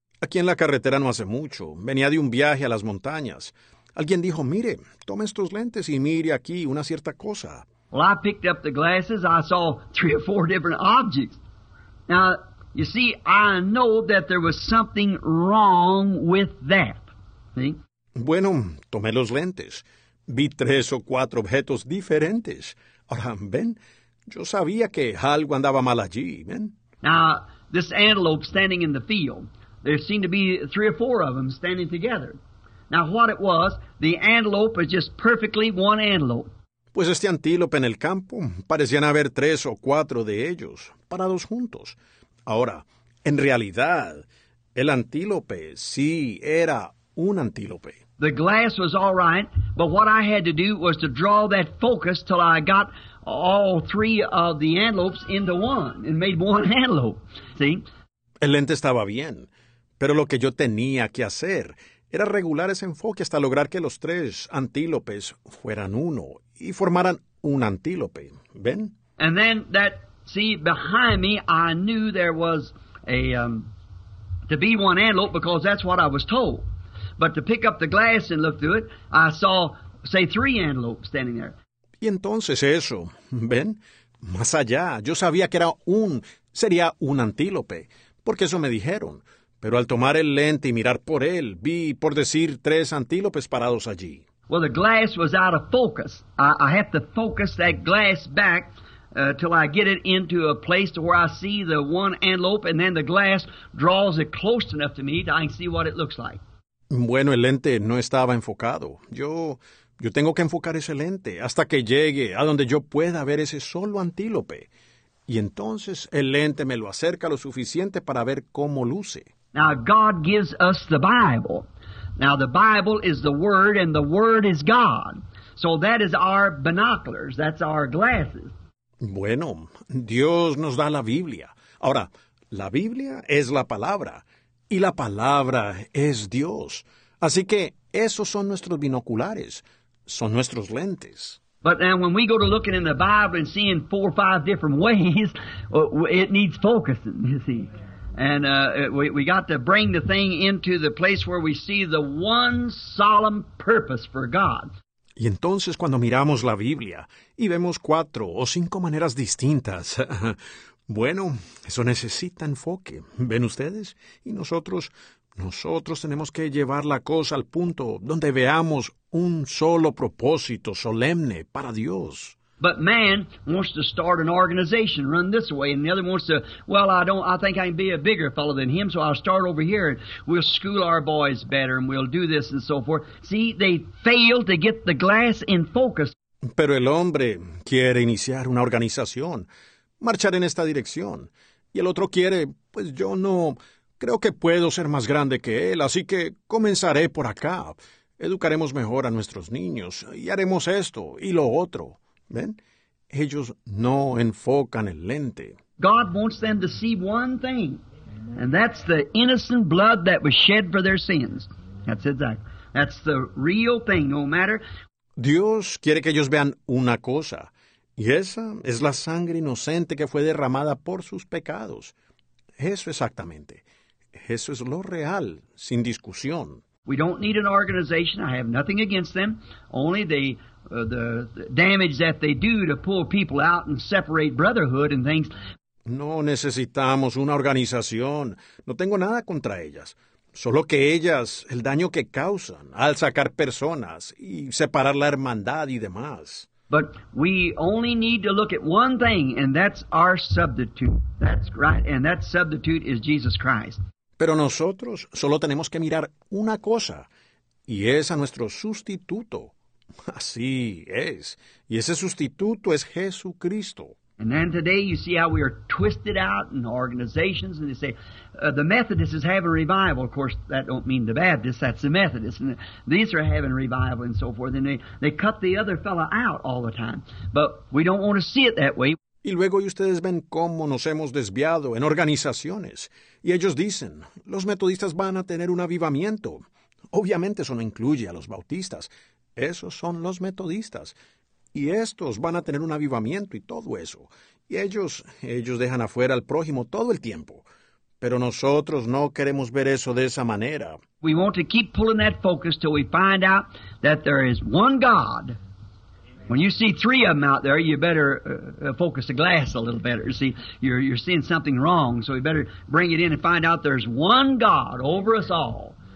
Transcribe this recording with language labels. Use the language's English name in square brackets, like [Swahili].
[Spanish] Aquí en la carretera no hace mucho, venía de un viaje a las montañas. Alguien dijo, "Mire, tome estos lentes y mire aquí una cierta cosa." [English] Well, I picked up the glasses. I saw three or four different objects. Now, you see, I know that there was something wrong with that. See? [Spanish] Bueno, tomé los lentes. Vi tres o cuatro objetos diferentes. Ahora, ven, yo sabía que algo andaba mal allí, ven. [English] Now, this antelope standing in the field, there seemed to be three or four of them standing together. Now, what it was, the antelope was just perfectly one antelope. [Spanish] Pues este antílope en el campo, parecían haber tres o cuatro de ellos, parados juntos. Ahora, en realidad, el antílope sí era un antílope. [English] The glass was all right, but what I had to do was to draw that focus till I got all three of the antelopes into one and made one antelope. See? [Spanish] El lente estaba bien, pero lo que yo tenía que hacer era regular ese enfoque hasta lograr que los tres antílopes fueran uno y formaran un antílope. ¿Ven? [English] And then that, see, behind me, I knew there was a, to be one antelope because that's what I was told. But to pick up the glass and look through it, I saw, say, three antelopes standing there. [Spanish] Y entonces eso, ¿ven? Más allá, yo sabía que era un, sería un antílope, porque eso me dijeron. Pero al tomar el lente y mirar por él, vi, por decir, tres antílopes parados allí. [English] Well, the glass was out of focus. I have to focus that glass back till I get it into a place to where I see the one antelope, and then the glass draws it close enough to me that I can see what it looks like. [Spanish] Bueno, el lente no estaba enfocado. Yo tengo que enfocar ese lente hasta que llegue a donde yo pueda ver ese solo antílope. Y entonces el lente me lo acerca lo suficiente para ver cómo luce. [English] Now, God gives us the Bible. Now, the Bible is the Word, and the Word is God. So that is our binoculars. That's our glasses. [Spanish] Bueno, Dios nos da la Biblia. Ahora, la Biblia es la Palabra, y la Palabra es Dios. Así que esos son nuestros binoculares. Son nuestros lentes. [English] But now, when we go to looking in the Bible and seeing four or five different ways, it needs focusing, you see. And we got to bring the thing into the place where we see the one solemn purpose for God. [Spanish] Y entonces cuando miramos la Biblia y vemos cuatro o cinco maneras distintas, bueno, eso necesita enfoque, ¿ven ustedes? Y nosotros tenemos que llevar la cosa al punto donde veamos un solo propósito solemne para Dios. [English] But man wants to start an organization, run this way, and the other wants to, well, I think I can be a bigger fellow than him, so I'll start over here, and we'll school our boys better, and we'll do this and so forth. See, they fail to get the glass in focus. [Spanish] Pero el hombre quiere iniciar una organización, marchar en esta dirección, y el otro quiere, pues yo no creo que puedo ser más grande que él, así que comenzaré por acá. Educaremos mejor a nuestros niños, y haremos esto y lo otro. ¿Ven? Ellos no enfocan el lente. [English] God wants them to see one thing, and that's the innocent blood that was shed for their sins. That's exactly. That's the real thing, no matter. [Spanish] Dios quiere que ellos vean una cosa, y esa es la sangre inocente que fue derramada por sus pecados. Eso exactamente. Eso es lo real, sin discusión. [English] We don't need an organization. I have nothing against them. Only the damage that they do to pull people out and separate brotherhood and things. [Spanish] No necesitamos una organización. No tengo nada contra ellas. Solo que ellas, el daño que causan al sacar personas y separar la hermandad y demás. [English] But we only need to look at one thing, and that's our substitute. That's right, and that substitute is Jesus Christ. [Spanish] Pero nosotros solo tenemos que mirar una cosa, y es a nuestro sustituto. Así es. Y ese sustituto es Jesucristo. [English] And then today you see how we are twisted out in organizations, and they say, the Methodists is having revival. Of course, that don't mean the Baptists, that's the Methodists. And these are having revival and so forth. And they cut the other fellow out all the time. But we don't want to see it that way. [Spanish] Y luego, y ustedes ven cómo nos hemos desviado en organizaciones. Y ellos dicen, los metodistas van a tener un avivamiento. Obviamente eso no incluye a los bautistas. Esos son los metodistas. Y estos van a tener un avivamiento y todo eso. Y ellos dejan afuera al prójimo todo el tiempo. Pero nosotros no queremos ver eso de esa manera. [English] We want to keep pulling that focus till we find out that there is one God. When you see three of them out there, you better focus the glass a little better. See, you're seeing something wrong, so we better bring it in and find out there's one God over us all.